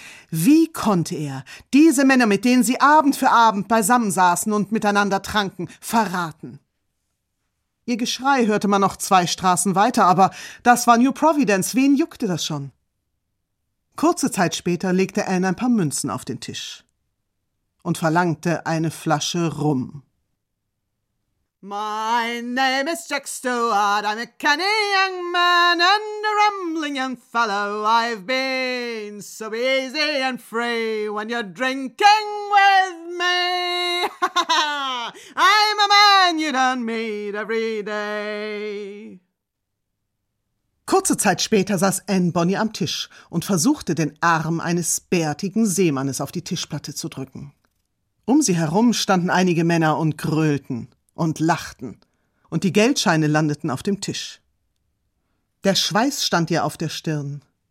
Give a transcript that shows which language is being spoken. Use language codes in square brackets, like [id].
[de] Wie konnte er diese Männer, mit denen sie Abend für Abend beisammen saßen und miteinander tranken, verraten? Ihr Geschrei hörte man noch zwei Straßen weiter, aber das war New Providence. Wen juckte das schon? Kurze Zeit später legte Anne ein paar Münzen auf den Tisch und verlangte eine Flasche Rum. [en] My name is Jack Stewart, I'm a canny young man and a rambling young fellow I've been. So be easy and free when you're drinking with me. I'm a man you don't meet every day. [de] Kurze Zeit später saß Anne Bonny am Tisch und versuchte, den Arm eines bärtigen Seemannes auf die Tischplatte zu drücken. Um sie herum standen einige Männer und grölten und lachten. Und die Geldscheine landeten auf dem Tisch. Der Schweiß stand ihr auf der Stirn.